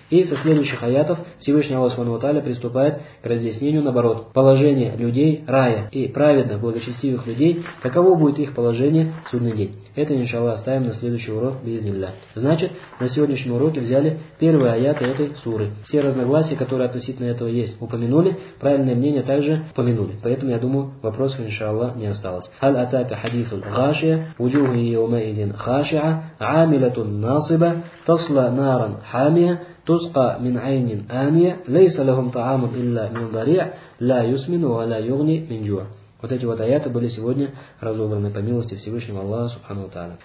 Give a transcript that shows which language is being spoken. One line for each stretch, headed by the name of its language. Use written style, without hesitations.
Russian: И со следующих аятов Всевышний Аллах Субхану ва Тааля приступает к разъяснению, наоборот, положения людей рая и праведных, благочестивых людей, каково будет их положение в судный день. Это, иншаллах, оставим на следующий урок биизнилля. Значит, на сегодняшнем уроке взяли первые аяты этой суры. Все разногласия, которые относительно этого есть, упомянули, правильное мнение также упомянули. Поэтому, я думаю, вопросов, иншаллах, не осталось.
Arabic: «Аль атака хадис غاشية وجوه يومئذ خاشعة عاملة ناصبة تصلى نارا حامية تسقى من عين آنية ليس لهم طعام إلا من ضريع لا يسمن ولا يغني من جوع».
Russian: Вот эти вот аяты были сегодня разобраны по милости Всевышнего Аллаха Субхану ва Тааля.